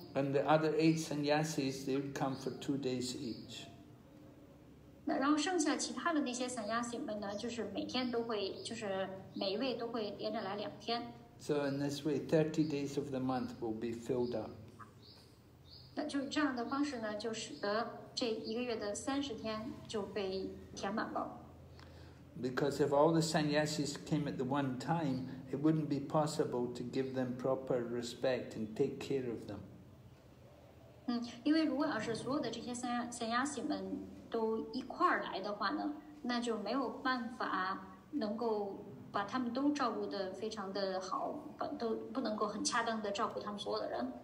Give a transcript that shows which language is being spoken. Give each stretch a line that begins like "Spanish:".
English: And the other 8 sannyasis, they would come for 2 days each.
Chinese: 那然后剩下其他的那些 sannyasi 们呢，就是每天都会，就是每一位都会连着来2天。
English: So in this way, 30 days of the month will be filled up.
Chinese: 那就这样的方式呢，就使得这一个月的30天就被填满了。
English: Because if all the sannyasis came at the one time, it wouldn't be possible to give them proper respect and take care of them.
Chinese: 因为如果要是所有的这些sannyasi们都一块儿来的话呢，那就没有办法能够把他们都照顾得非常的好，都不能够很恰当的照顾他们所有的人。